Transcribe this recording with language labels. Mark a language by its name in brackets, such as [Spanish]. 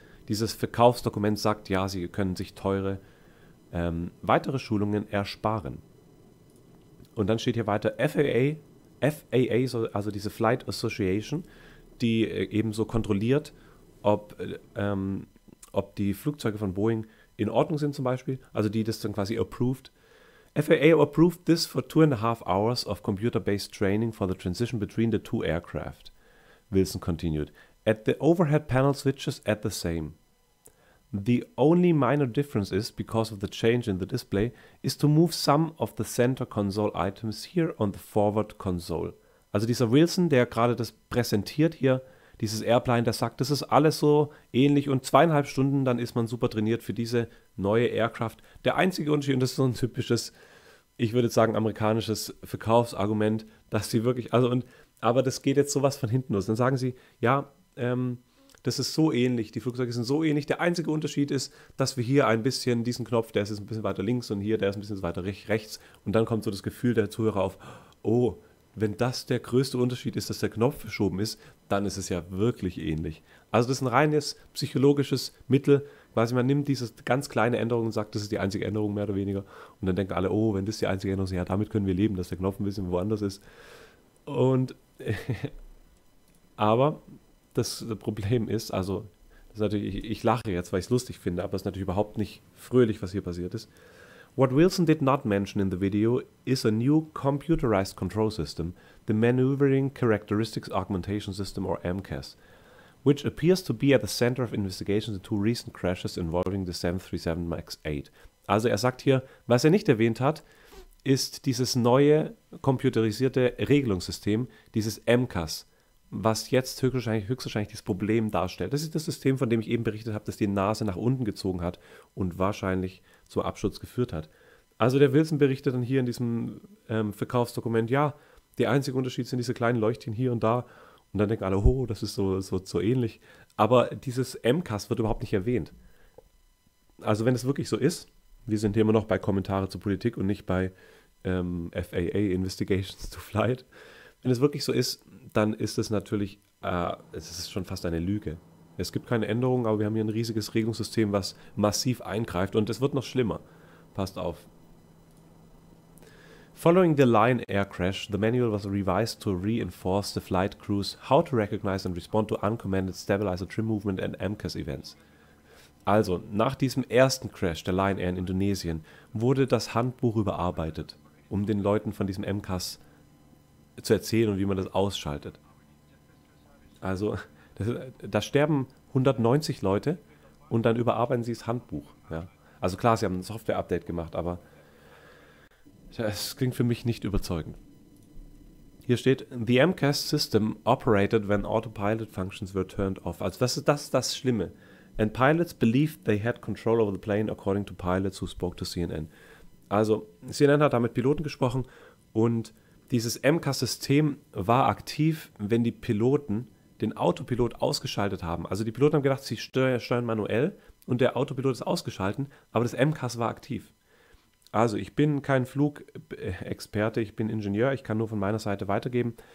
[German] Dieses Verkaufsdokument sagt ja, sie können sich teure weitere Schulungen ersparen. Und dann steht hier weiter FAA, also diese Flight Association, die eben so kontrolliert, ob die Flugzeuge von Boeing in Ordnung sind zum Beispiel, also die das dann quasi approved. [English] FAA approved this for 2.5 hours of computer-based training for the transition between the two aircraft. Wilson continued. At the overhead panel switches at the same. The only minor difference is, because of the change in the display, is to move some of the center console items here on the forward console. [German] Also dieser Wilson, der gerade das präsentiert hier, dieses Airplane, der sagt, das ist alles so ähnlich und 2,5 Stunden, dann ist man super trainiert für diese neue Aircraft. Der einzige Unterschied, und das ist so ein typisches, ich würde sagen, amerikanisches Verkaufsargument, dass sie wirklich, also und, aber das geht jetzt sowas von hinten los. Dann sagen sie, ja, das ist so ähnlich, die Flugzeuge sind so ähnlich. Der einzige Unterschied ist, dass wir hier ein bisschen diesen Knopf, der ist jetzt ein bisschen weiter links und hier, der ist ein bisschen weiter rechts. Und dann kommt so das Gefühl der Zuhörer auf, oh, wenn das der größte Unterschied ist, dass der Knopf verschoben ist, dann ist es ja wirklich ähnlich. Also das ist ein reines psychologisches Mittel. Quasi man nimmt diese ganz kleine Änderung und sagt, das ist die einzige Änderung mehr oder weniger. Und dann denken alle, oh, wenn das die einzige Änderung ist, ja, damit können wir leben, dass der Knopf ein bisschen woanders ist. Und aber das Problem ist, also das ist natürlich, ich lache jetzt, weil ich es lustig finde, aber es ist natürlich überhaupt nicht fröhlich, was hier passiert ist. [English] What Wilson did not mention in the video is a new computerized control system, the Maneuvering Characteristics Augmentation System, or MCAS, which appears to be at the center of investigations in two recent crashes involving the 737 MAX 8. [German] Also er sagt hier, was er nicht erwähnt hat, ist dieses neue computerisierte Regelungssystem, dieses MCAS, was jetzt höchstwahrscheinlich das Problem darstellt. Das ist das System, von dem ich eben berichtet habe, das die Nase nach unten gezogen hat und wahrscheinlich zum Absturz geführt hat. Also der Wilson berichtet dann hier in diesem Verkaufsdokument, ja, der einzige Unterschied sind diese kleinen Leuchtchen hier und da. Und dann denken alle, oh, das ist so ähnlich. Aber dieses MCAS wird überhaupt nicht erwähnt. Also wenn es wirklich so ist, wir sind hier immer noch bei Kommentare zur Politik und nicht bei FAA [English] Investigations to Flight. [German] Wenn es wirklich so ist, dann ist es natürlich, es ist schon fast eine Lüge. Es gibt keine Änderungen, aber wir haben hier ein riesiges Regelungssystem, was massiv eingreift und es wird noch schlimmer. Passt auf. [English] Following the Lion Air crash, the manual was revised to reinforce the flight crews how to recognize and respond to uncommanded stabilizer trim movement and MCAS events. [German] Also, nach diesem ersten Crash der Lion Air in Indonesien wurde das Handbuch überarbeitet, um den Leuten von diesem MCAS zu erzählen und wie man das ausschaltet. Also, da sterben 190 Leute und dann überarbeiten sie das Handbuch. Ja. Also klar, sie haben ein Software-Update gemacht, aber das klingt für mich nicht überzeugend. Hier steht, [English] the MCAS system operated when autopilot functions were turned off. [German] Also das ist das Schlimme. [English] And pilots believed they had control over the plane according to pilots who spoke to CNN. [German] Also CNN hat da mit Piloten gesprochen und dieses MCAS-System war aktiv, wenn die Piloten den Autopilot ausgeschaltet haben. Also die Piloten haben gedacht, sie steuern manuell und der Autopilot ist ausgeschalten, aber das MCAS war aktiv. Also ich bin kein Flugexperte, ich bin Ingenieur, ich kann nur von meiner Seite weitergeben.